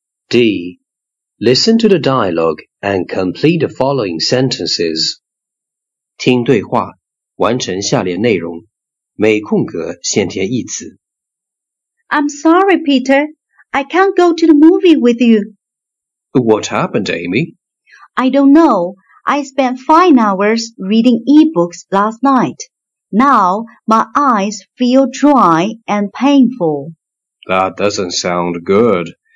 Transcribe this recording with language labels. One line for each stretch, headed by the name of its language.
English: D. Listen to the dialogue and complete the following sentences.
Chinese: 听对话，完成下列内容，每空格先填一词。
English: I'm sorry, Peter. I can't go to the movie with you. What happened, Amy? I don't know. I spent 5 hours reading e-books last night. Now my eyes feel dry and painful. That doesn't sound good.